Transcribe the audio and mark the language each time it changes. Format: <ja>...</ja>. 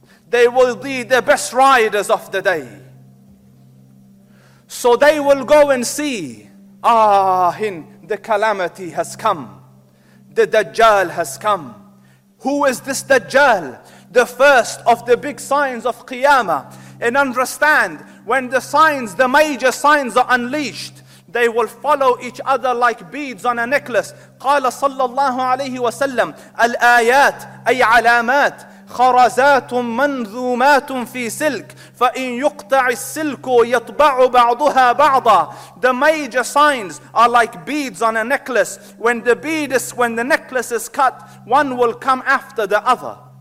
<en>They will be the best riders of the day. So they will go and see, the calamity has come. The Dajjal has come. Who is this Dajjal? The first of the big signs of Qiyamah. And understand, when the signs, the major signs are unleashed, they will follow each other like beads on a necklace.</en> <ar>قال صلى الله عليه وسلم الآيات أي علامات خرزات منظومات في سلك فإن يقطع السلك يطبع بعضها بعضا.</ar> <en>The major signs are like beads on a necklace. When the necklace is cut, one will come after the other.</en>